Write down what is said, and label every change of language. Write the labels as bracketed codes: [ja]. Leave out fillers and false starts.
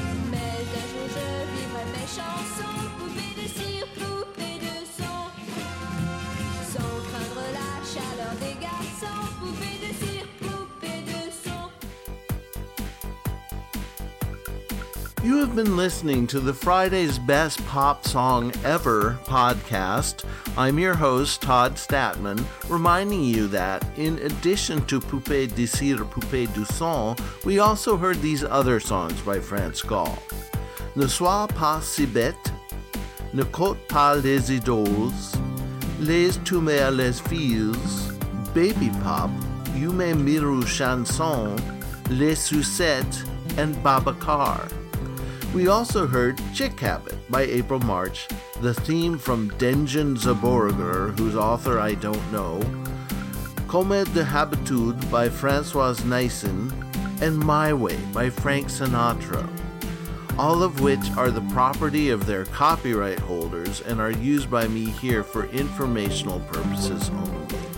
[fr] Mais un jour je vivrai mes chansons, poupée de cire, poupée de son. Sans craindre la chaleur des garçons, poupée de cire, poupée de son. [en] You have been listening to the Friday's Best Pop Song Ever podcast. I'm your host, Todd Statman, reminding you that, in addition to Poupée de Cire, Poupée de Son, we also heard these other songs by France Gall. [fr] Ne sois pas si bête, ne compte pas les idoles, les tu mets les filles, Baby Pop, You Me Miru Chanson, Les Sucettes, and Babacar. [en] We also heard Chick Habit by April March, the theme from Dungeon Zaborger, whose author I don't know, Comme de Habitude by Françoise Nyssen, and My Way by Frank Sinatra, all of which are the property of their copyright holders and are used by me here for informational purposes only.